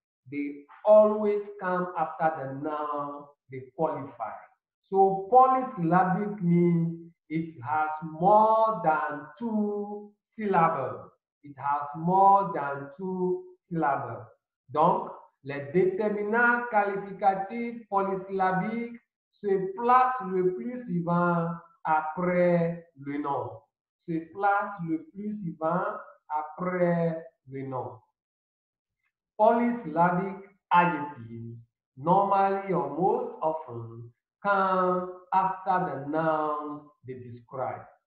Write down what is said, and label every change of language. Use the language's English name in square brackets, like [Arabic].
[English] They always come after the noun they qualify. So polysyllabic means it has more than two syllables. It has more than two syllables. Donc, [French] Les déterminants qualificatifs polysyllabiques se placent le plus souvent après le nom. Se placent le plus souvent après le nom. [English] Polysyllabic adjectives normally or most often come after the noun they describe.